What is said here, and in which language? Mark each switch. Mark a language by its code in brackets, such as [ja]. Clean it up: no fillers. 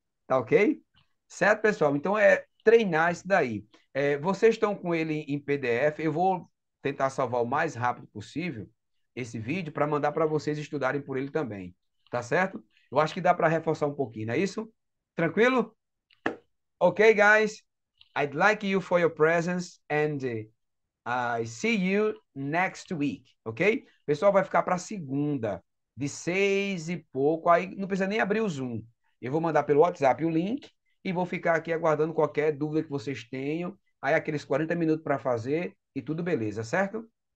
[pt] Tá ok? Certo, pessoal? Então é treinar isso daí. Vocês estão com ele em PDF. Eu vou tentar salvar o mais rápido possível esse vídeo para mandar para vocês estudarem por ele também. Tá certo? Eu acho que dá para reforçar um pouquinho, não é isso? Tranquilo? [en] Ok, guys. I'd like you for your presence and I see you next week. [pt] Ok? O pessoal vai ficar para segunda, de 6 e pouco. Aí não precisa nem abrir o Zoom. Eu vou mandar pelo WhatsApp o link. E vou ficar aqui aguardando qualquer dúvida que vocês tenham. Aí aqueles 40 minutos para fazer e tudo beleza, certo?